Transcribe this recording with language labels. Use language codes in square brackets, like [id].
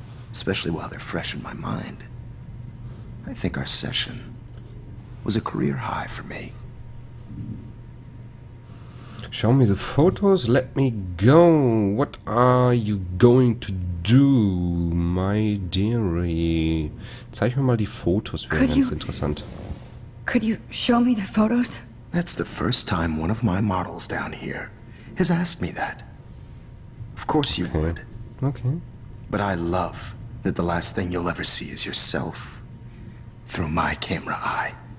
[en] Especially while they're fresh in my mind. I think our session was a career high for me. Show me the photos, let me go. What are you going to do, my dearie? [de] Zeig mir mal die Fotos, wäre ganz interessant. [en] Could you show me the photos? That's the first time one of my models down here has asked me that. Of course you would. Okay. But I love that the last thing you'll ever see is yourself through my camera eye.